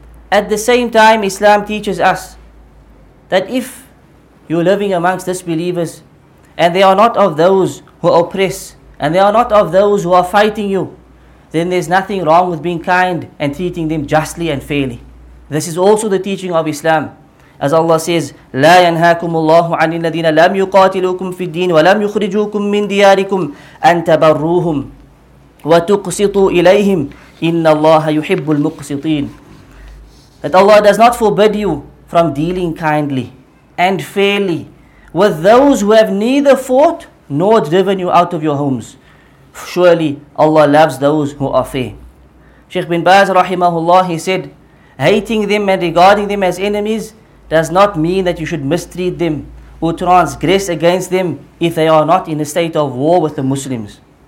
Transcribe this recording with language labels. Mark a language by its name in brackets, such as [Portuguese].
[English] At the same time, Islam teaches us that if you're living amongst disbelievers and they are not of those who oppress and they are not of those who are fighting you, then there's nothing wrong with being kind and treating them justly and fairly. This is also the teaching of Islam. As Allah says, [Arabic] لا ينهاكم الله عن الذين لم يقاتلوكم في الدين ولم يخرجوكم من دياركم أن تبروهم وتقسطوا إليهم إن الله يحب المقسطين. [English] That Allah does not forbid you from dealing kindly and fairly with those who have neither fought nor driven you out of your homes. Surely Allah loves those who are fair. Sheikh bin Baz rahimahullah, he said, hating them and regarding them as enemies does not mean that you should mistreat them or transgress against them if they are not in a state of war with the Muslims.